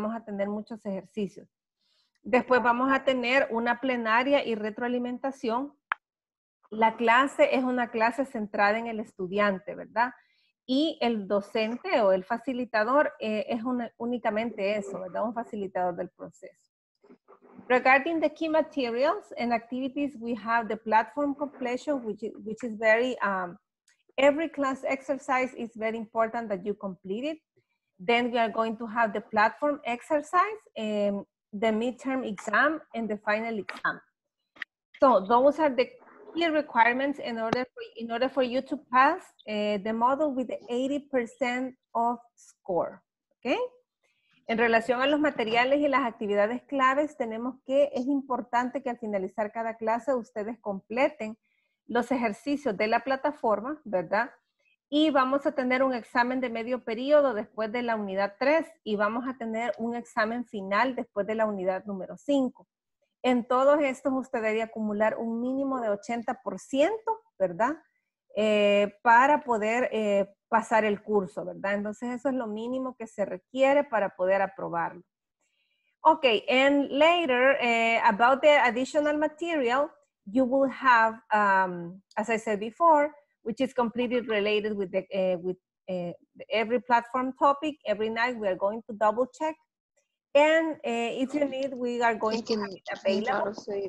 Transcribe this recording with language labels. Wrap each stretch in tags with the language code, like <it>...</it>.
<es>Vamos a tener muchos ejercicios. Después vamos a tener una plenaria y retroalimentación. La clase es una clase centrada en el estudiante, ¿verdad? Y el docente o el facilitador es únicamente eso, ¿verdad? Un facilitador del proceso.</es> <en>Regarding the key materials and activities, we have the platform completion, which is very, every class exercise is very important that you complete it. Then we are going to have the platform exercise, the midterm exam, and the final exam. So those are the key requirements in order for you to pass the module with the 80% of score. Okay?</en> <es>En relación a los materiales y las actividades claves, tenemos que es importante que al finalizar cada clase ustedes completen los ejercicios de la plataforma, ¿verdad? Y vamos a tener un examen de medio periodo después de la unidad 3 y vamos a tener un examen final después de la unidad número 5. En todos estos usted debe acumular un mínimo de 80%, ¿verdad? Para poder pasar el curso, ¿verdad? Entonces eso es lo mínimo que se requiere para poder aprobarlo.</es> <en>Ok, and later, about the additional material, you will have, as I said before, which is completely related with the, every platform topic. Every night we are going to double check. And if you need, we are going to have it available.</en>